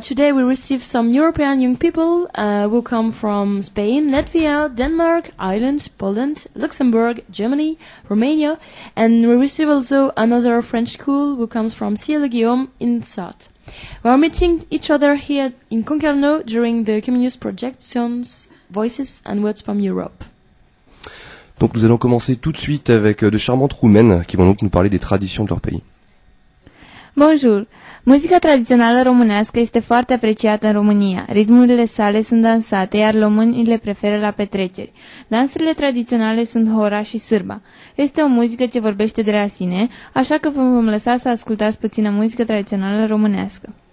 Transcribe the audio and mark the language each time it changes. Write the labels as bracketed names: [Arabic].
[English] Today we receive some European young people who come from Spain, Latvia, Denmark, Ireland, Poland, Luxembourg, Germany, Romania, and we receive also another French school who comes from Ciel-Guillaume in Sarthe. We are meeting each other here in Concarneau during the Communist Projections, Voices and Words from Europe. [French] Donc nous allons commencer tout de suite avec de charmantes roumaines qui vont donc nous parler des traditions de leur pays. Bonjour. [Romanian] Muzica tradițională românească este foarte apreciată în România. Ritmurile sale sunt dansate, iar românii le preferă la petreceri. Dansurile tradiționale sunt hora și sârba. Este o muzică ce vorbește de la sine, așa că vă vom lăsa să ascultați puțină muzică tradițională românească.